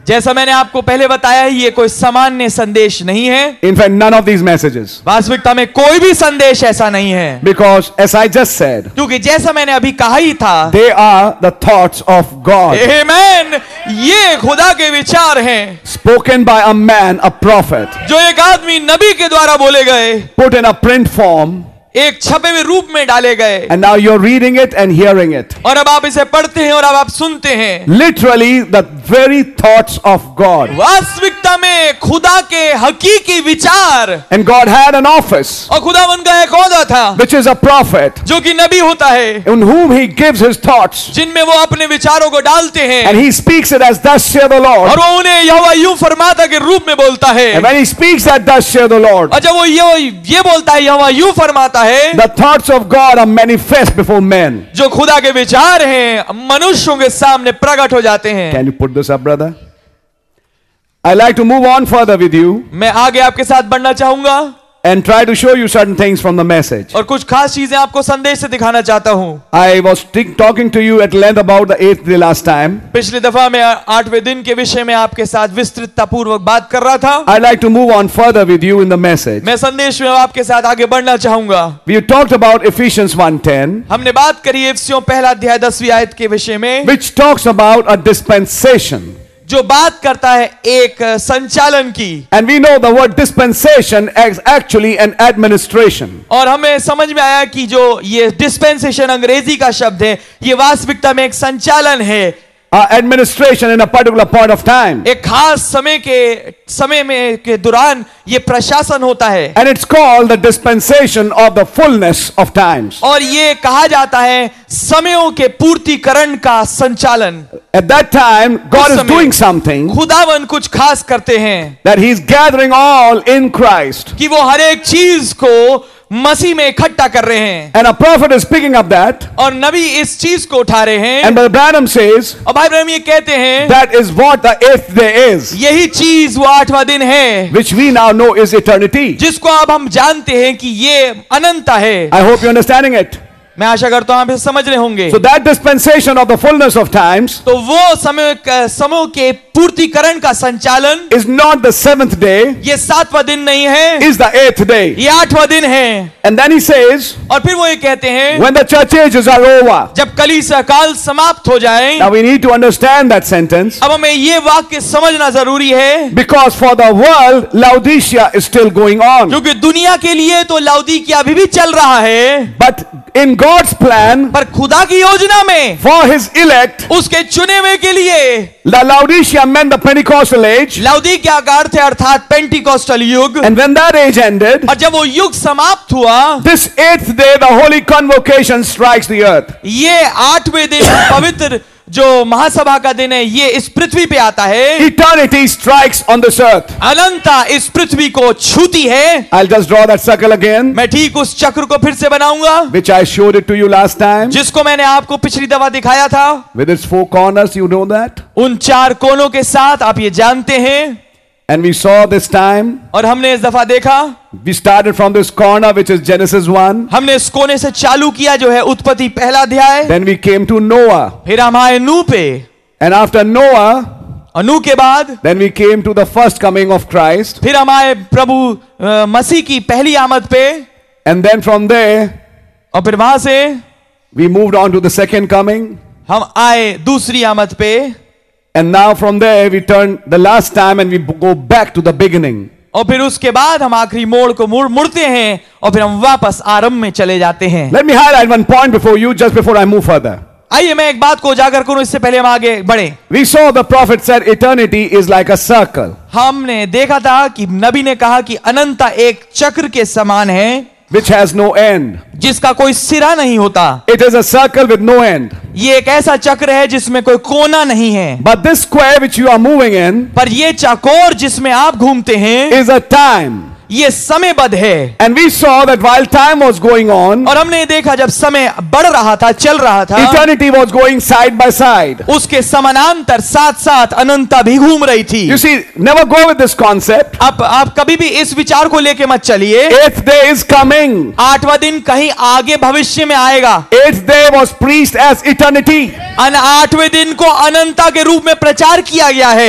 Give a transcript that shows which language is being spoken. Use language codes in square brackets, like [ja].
[hi] जैसा मैंने आपको पहले बताया है ये कोई सामान्य संदेश नहीं है. [en] In fact, none of these messages. [hi] वास्तविकता में कोई भी संदेश ऐसा नहीं है. [en] Because as I just said. [hi] क्योंकि जैसा मैंने अभी कहा ही था. [en] They are the thoughts of God. [hi] Amen. ये खुदा के विचार हैं. [en] Spoken by a man, a prophet. [hi] जो एक आदमी नबी के द्वारा बोले गए. [en] Put in a print form. [hi] एक छपे हुए रूप में डाले गए. [en] And now you're reading it and hearing it. [hi] और अब आप इसे पढ़ते हैं और अब आप सुनते हैं. [en] Literally the very thoughts of God. [hi] वास्तविकता में खुदा के हकीकी विचार. [en] And God had an office. [hi] और खुदावन का एक औहदा था. [en] Which is a prophet. [hi] जो कि नबी होता है. [en] In whom he gives his thoughts. [hi] जिनमें वो अपने विचारों को डालते हैं. [en] And he speaks it as thus saith the Lord. [hi] और वो उन्हें यहोवा यूं फरमाता के रूप में बोलता है. [en] And when he speaks that thus saith the Lord. [hi] और जब वो ये बोलता है यहोवा यूं फरमाता. [en] The thoughts of God are manifest before men. [hi] जो खुदा के विचार हैं मनुष्यों के सामने प्रकट हो जाते हैं. [en] Can you put this up, brother? I like to move on further with you. [hi] मैं आगे आपके साथ बढ़ना चाहूंगा. [en] And try to show you certain things from the message. [hi] और कुछ खास चीजें आपको संदेश से दिखाना चाहता हूँ. [en] I was talking to you at length about the eighth day last time. [hi] पिछली दफा मैं आठवें दिन के विषय में आपके साथ विस्तृतता पूर्वक बात कर रहा था. [en] I'd like to move on further with you in the message. [hi] मैं संदेश में आपके साथ आगे बढ़ना चाहूंगा. [en] We talked about Ephesians 1:10. [hi] हमने बात करी इफिसियों पहला अध्याय दसवीं आयत के विषय में. [en] Which talks about a dispensation. [hi] जो बात करता है एक संचालन की. [en] And we know the word dispensation is actually an administration. [hi] और हमें समझ में आया कि जो ये dispensation अंग्रेजी का शब्द है ये वास्तविकता में एक संचालन है. [en] Administration in a particular point of time. [hi] एक खास समय में के दौरान ये प्रशासन होता है. [en] And it's called the dispensation of the fullness of times. [hi] और ये कहा जाता है समयों के पूर्तिकरण का संचालन. [en] At that time, God is doing something. [hi] खुदावन कुछ खास करते हैं. [en] That He's gathering all in Christ. [hi] कि वो हर एक चीज को मसीह में इकट्ठा कर रहे हैं. [en] And a prophet is picking up that. [hi] और नबी इस चीज को उठा रहे हैं. [en] And Brother Branham says. [hi] और भाई ब्रैनम ये कहते हैं. [en] That is what the eighth day is. [hi] यही चीज वो आठवां दिन है. [en] Which we now know is eternity. [hi] जिसको अब हम जानते हैं कि ये अनंतता है. [en] I hope you're understanding it. [hi] मैं आशा करता हूं आप इसे समझ रहे होंगे. [en] So that dispensation of the fullness of times. [hi] तो वो समय के पूर्तिकरण का संचालन. [en] Is not the seventh day. [hi] ये सातवां दिन नहीं है. [en] Is the eighth day. [hi] ये आठवां दिन है. [en] And then he says. [hi] और फिर वो ये कहते हैं. [en] When the church ages are over. [hi] जब कलीसिया काल समाप्त हो जाए. [en] Now we need to understand that sentence. [hi] अब हमें ये वाक्य समझना जरूरी है. [en] Because for the world, Laodicea is still going on. [hi] क्योंकि दुनिया के लिए तो लौदीकिया अभी भी चल रहा है. [en] But in God's plan, [hi] पर खुदा की योजना में, [en] for His elect, [hi] उसके चुने हुए के लिए, [en] the Laodicea meant the Pentecostal age, [hi] लौदीकिया का अर्थ है अर्थात Pentecostal युग, [en] and when that age ended, [hi] और जब वो युग समाप्त हुआ, [en] this eighth day the holy convocation strikes the earth. [hi] ये आठवें दिन पवित्र जो महासभा का दिन है ये इस पृथ्वी पे आता है. [en] Eternity strikes on this earth. [hi] अनंतता इस पृथ्वी को छूती है. [en] I'll just draw that circle again. [hi] मैं ठीक उस चक्र को फिर से बनाऊंगा. [en] Which I showed it to you last time. [hi] जिसको मैंने आपको पिछली दफा दिखाया था. [en] With its four corners, you know that. [hi] उन चार कोनों के साथ आप ये जानते हैं. [en] And we saw this time. [hi] और हमने इस दफा देखा. [en] We started from this corner, which is Genesis 1. [hi] हमने इस कोने से चालू किया जो है उत्पत्ति पहला अध्याय. [en] Then we came to Noah. [hi] फिर हम आए नूह पे. [en] And after Noah. [hi] अनु के बाद. [en] Then we came to the first coming of Christ. [hi] फिर हम आए प्रभु मसीह की पहली आमद पे. [en] And then from there. [hi] और फिर वहां से. [en] We moved on to the second coming. [hi] हम आए दूसरी आमद पे. [en] And now from there we turn the last time and we go back to the beginning. [hi] और फिर उसके बाद हम आखिरी मोड़ को मुड़ते हैं और फिर हम वापस आरंभ में चले जाते हैं. [en] Let me highlight one point before you, just before I move further. [hi] आइए मैं एक बात को उजागर करूं इससे पहले हम आगे बढ़ें. [en] We saw the prophet said eternity is like a circle. [hi] हमने देखा था कि नबी ने कहा कि अनंतता एक चक्र के समान है. [en] which has no end. [hi] जिसका कोई सिरा नहीं होता. [en] It is a circle with no end. [hi] ये एक ऐसा चक्र है जिसमें कोई कोना नहीं है. [en] But this square which you are moving in, [hi] पर ये चकोर जिसमें आप घूमते हैं, [en] is a time. [hi] ये समयबद्ध है. [en] And we saw that while time was going on, [hi] और हमने देखा जब समय बढ़ रहा था, चल रहा था, [en] eternity was going side by side. [hi] उसके समानांतर साथ साथ अनंतता भी घूम रही थी. [en] You see, never go with this concept. [hi] आप कभी भी इस विचार को लेके मत चलिए. [en] Eighth day is coming. [hi] आठवां दिन कहीं आगे भविष्य में आएगा. [en] Eighth day was preached as eternity. [hi] और आठवें दिन को अनंतता के रूप में प्रचार किया गया है.